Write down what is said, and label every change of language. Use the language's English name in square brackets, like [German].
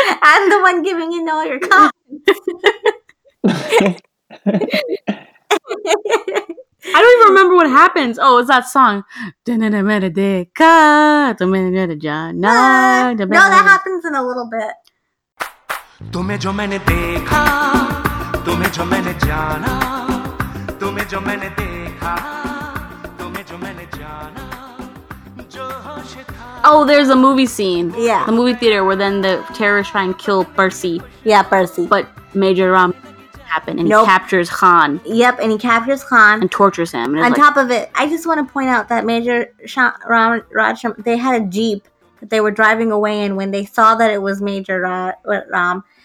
[English] I'm the one giving in all your comments. I don't even remember what happens. Oh, it's that song. No, that happens in a little bit. [Hindi] तुम्हें जो मैंने देखा तुम्हें जो मैंने जाना तुम्हें जो मैंने देखा तुम्हें जो मैंने जाना जो होश था. [English] Oh, there's a movie scene. Yeah. The movie theater where then the terrorists try and kill Percy. Yeah, Percy. But Major Ram happened and nope. He captures Khan. Yep, and he captures Khan. And tortures him. And on top of it, I just want to point out that Major Ram, they had a jeep that they were driving away in when they saw that it was Major Ram.